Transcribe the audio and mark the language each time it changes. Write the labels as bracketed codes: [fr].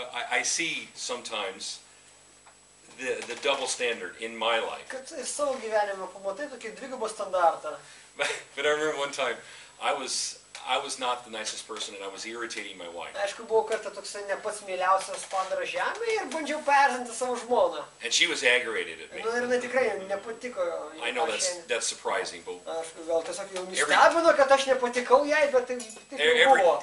[en] I see sometimes the double standard in my life. But I remember one time I was not the nicest person and I was irritating my wife. [lt] Aišku, buvo kartą toks ne pats mieliausias padaras žemėje ir bandžiau paerzinti savo žmoną. [en] And she was aggravated at me. [lt] Nu, ir tikrai nepatiko. [en] I know that's surprising, but [lt] aišku, gal tiesiog jau nustebino, kad aš nepatikau jai, bet tai tikrai buvo.